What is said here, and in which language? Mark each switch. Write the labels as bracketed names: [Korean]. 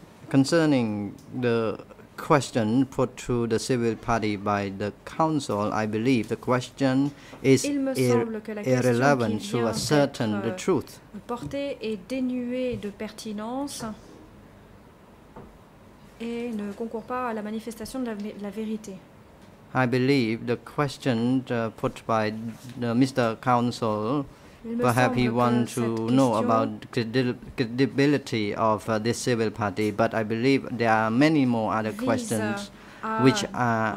[English] concerning the question put to the civil party by the council, I believe the question is irrelevant to ascertain the truth. [French] Portée et dénuée de pertinence. Et ne concourt pas à la manifestation de la vérité. [English] I believe the question put by the Mr. Counsel, perhaps he wants to know about the credibility of this civil party, but I believe there are many more other questions which are